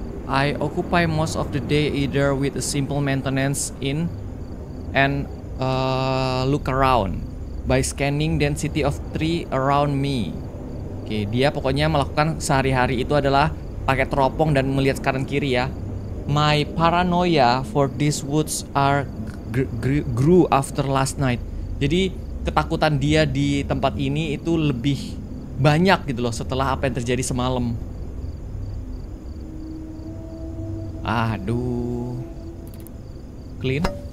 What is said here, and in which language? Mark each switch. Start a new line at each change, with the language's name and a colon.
English: I occupy most of the day either with a simple maintenance in and look around by scanning density of tree around me.
Indonesian: Oke, dia pokoknya melakukan sehari-hari itu adalah pakai teropong dan melihat kanan kiri ya.
English: My paranoia for these woods are grew after last night.
Indonesian: Jadi ketakutan dia di tempat ini itu lebih banyak gitu loh setelah apa yang terjadi semalam. Aduh. Clean.